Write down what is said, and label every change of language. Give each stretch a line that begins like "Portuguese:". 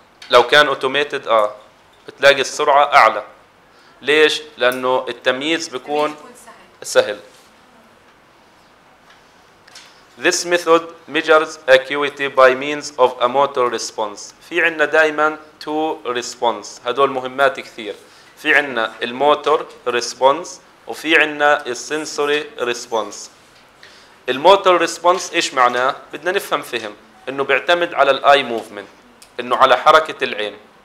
Arabic: لو كان اوتوميتد بتلاقي السرعه اعلى. ليش؟ لانه التمييز بيكون سهل.
English: This method measures acuity by means of a motor response.
Arabic: في عنا دائما
English: two response.
Arabic: هدول مهمات كثير. في عنا الموتور response وفي عنا السنسوري response. الموتور response ايش معناه؟ بدنا نفهم فهم انه بيعتمد على الاي موفمنت، انه على حركة العين.